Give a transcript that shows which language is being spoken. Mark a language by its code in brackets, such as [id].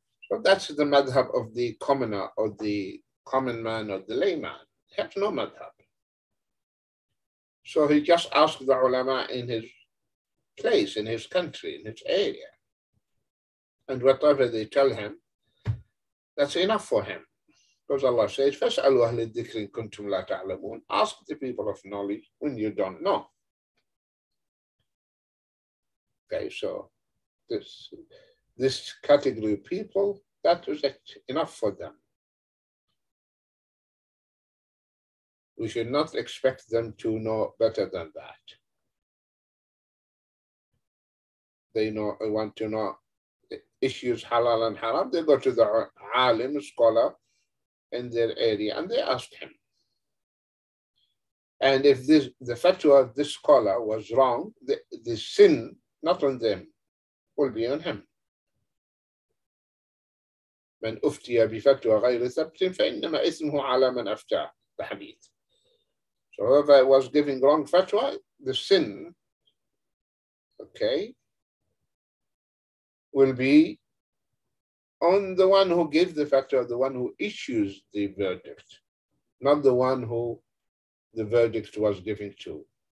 [en] So that's the madhab of the commoner or the common man or the layman. He has no madhab. So he just asks the ulama in his place, in his country, in his area. And whatever they tell him, that's enough for him. Because Allah says, [ar] فَاسْأَلُوا أَهْلِ الذِّكْرِ إِن كُنْتُمْ لَا تَعْلَمُونَ. [en] Ask the people of knowledge when you don't know. Okay, so this category of people, that is it, enough for them. We should not expect them to know better than that. They know, want to know issues halal and haram. They go to the alim, scholar in their area, and they ask him. And if the fatwa of this scholar was wrong, the sin, not on them, will be on him. [ar] من أفتى بفتوى غير ثبت فإنما إثمه على من أفتى بحديث. [en] So whoever was giving wrong fatwa, the sin, okay, will be on the one who gives the factor of the one who issues the verdict, not the one who the verdict was given to.